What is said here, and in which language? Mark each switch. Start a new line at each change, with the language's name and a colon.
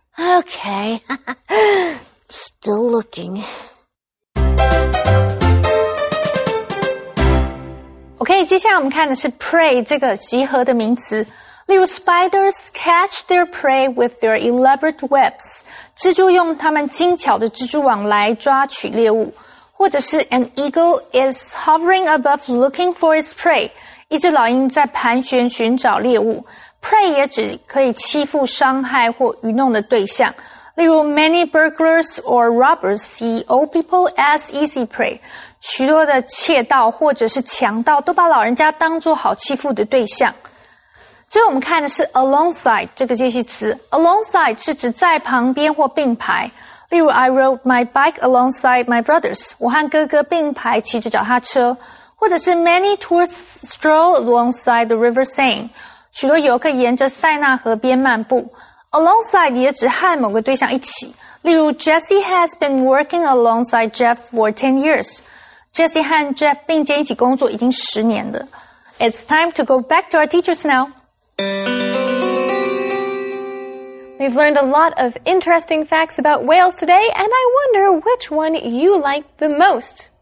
English: Okay. Still looking.
Chinese: Okay, 接下来我们看的是 prey 这个集合的名词。例如
English: spiders catch their prey with their elaborate webs.
Chinese: 蜘蛛用它们精巧的蜘蛛网来抓取猎物。或者是
English: an eagle is hovering above looking for its prey.
Chinese: 一只老鹰在盘旋寻找猎物 ,prey 也指可以欺负伤害或愚弄的对象。例如
English: ,many burglars or robbers see old people as easy prey。
Chinese: 许多的窃盗或者是强盗都把老人家当作好欺负的对象。最后我们看的是 alongside 这个介系词。alongside 是指在旁边或并排。例如
English: ,I rode my bike alongside my brothers。
Chinese: 我和哥哥并排骑着脚踏车。或者是
English: many tourists stroll alongside the River Seine.
Chinese: 许多游客沿着塞纳河边漫步。 Alongside 也指和某个对象一起。例如
English: Jesse has been working alongside Jeff for 10 years.
Chinese: Jesse 和 Jeff 并肩一起工作已经十年了。
English: It's time to go back to our teachers now. We've learned a lot of interesting facts about whales today, and I wonder which one you like the most.